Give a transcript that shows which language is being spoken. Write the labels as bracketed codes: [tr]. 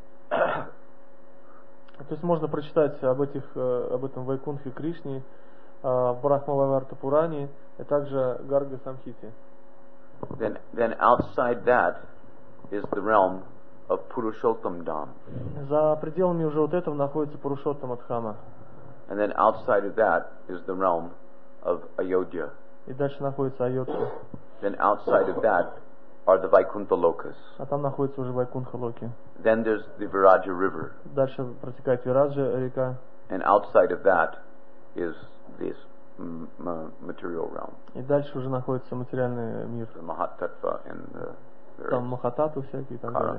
[ru] То есть можно прочитать об этих об этом Вайкунтхе Кришне Брахмававарта Пурани и также Гарга Самхите. [en] Then outside that is the realm of Purushottam Dham. [ru] За пределами уже вот этого находится Пурушоттама Дхама. [en] And then outside of that is the realm of Ayodhya. [ru] И дальше находится Айодхи. [en] Then outside of that are the Vaikuntha Lokas. [ru] А там находится уже Вайкунтха Локи. [en] Then there's the Viraja River. [ru] Дальше протекает Вираджа река. [en] And outside of that is this material realm. [ru] И дальше уже находится материальный мир. [en] The Mahatattva and the [ru] там Махататва всякие там.